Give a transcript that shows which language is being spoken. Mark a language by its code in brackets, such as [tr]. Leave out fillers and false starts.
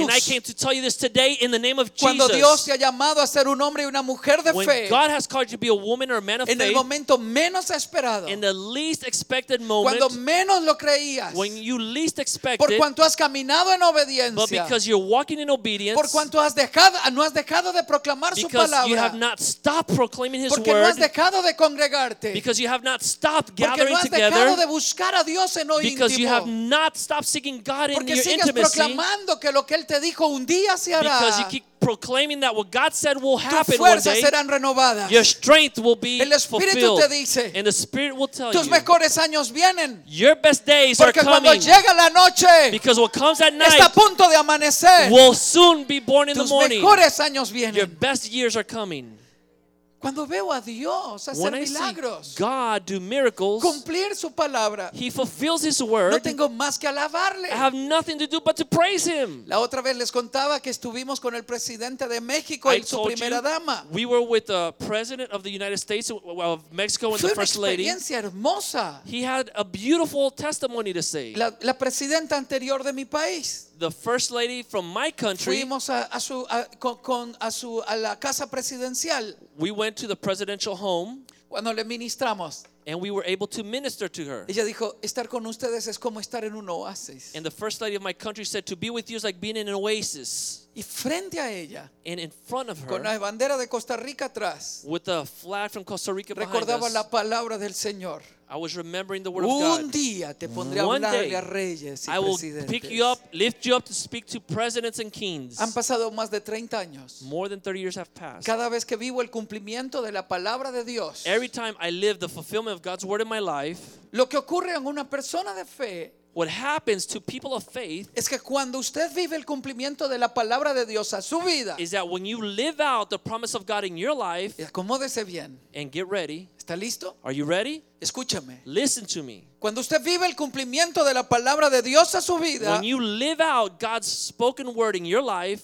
[en] And I came to tell you this today in the name of Jesus. [es] Cuando Dios te ha llamado a ser un hombre y una mujer de [en] when [es] fe, [en] God has called you to be a woman or a man of [es] en el momento menos esperado, [en] in the least expected moment, [es] cuando menos lo creías, [en] when you least expected, [es] por cuanto has caminado en obediencia, [en] but because you're walking in obedience, [es] por cuanto has dejado, no has dejado de proclamar su palabra, [en] because you have not stopped proclaiming his [es] porque [en] word, [es] porque no has dejado de congregarte, [en] because you have not stopped gathering [es] porque no has [en] together, [es] dejado de buscar a Dios en lo [en] because [es] íntimo, [en] you have not stopped seeking God in [es] porque [en] your [es] sigues [en] intimacy, [es] proclamando que lo que él te dijo un día se hará, [en] because you keep proclaiming that what God said will happen [es] tus fuerzas [en] one day, [es] serán renovadas. [en] Your strength will be [es] el Espíritu [en] fulfilled. [es] Te dice, [en] and the Spirit will tell [es] tus [en] you [es] mejores años vienen, [en] your best days [es] porque [en] are coming [es] cuando llega la noche, [en] because what comes at night [es] está a punto de amanecer, [en] will soon be born in [es] tus [en] the morning. [es] Mejores años vienen. [en] Your best years are coming. [es] Cuando veo a Dios hacer [en] when I [es] milagros, [en] see God do miracles, [es] cumplir su palabra, [en] he fulfills his word, [es] no tengo más que alabarle. [en] I have nothing to do but to praise him. [es] La otra vez les contaba que estuvimos con el presidente de México y su primera dama. [en] We were with the president of the United States, well, of Mexico, and the first lady. [es] Fue una experiencia hermosa. [en] He had a beautiful testimony to say. [es] La presidenta anterior de mi país. [en] The first lady from my country. [es] Fuimos a la casa presidencial. [en] We went to the presidential home. [es] Cuando le ministramos. [en] And we were able to minister to her. [es] Ella dijo, estar con ustedes es como estar en un oasis. [en] And the first lady of my country said, to be with you is like being in an oasis. [es] Y frente a ella. [en] And in front of her. [es] Con la bandera de Costa Rica atrás. [en] With a flag from Costa Rica behind us. [es] Recordaba la palabra del Señor. [en] I was remembering the word [es] un [en] of God. [es] Un día te pondré [en] one [es] a hablarle a reyes y [en] I will [es] presidentes. [en] Pick you up, lift you up to speak to presidents and kings. [es] Han pasado más de 30 años. [en] More than 30 years have passed. [es] Cada vez que vivo el cumplimiento de la palabra de Dios. [en] Every time I live the fulfillment of God's word in my life. [es] Lo que ocurre en una persona de fe. [en] What happens to people of faith [es] es que cuando usted vive el cumplimiento de la palabra de Dios a su vida. [en] Is that when you live out the promise of God in your life. [es] Y acomódese bien. [en] And get ready. [es] ¿Está listo? [en] Are you ready? [es] Escúchame. [en] Listen to me. [es] Cuando usted vive el cumplimiento de la palabra de Dios a su vida. [en] When you live out God's spoken word in your life.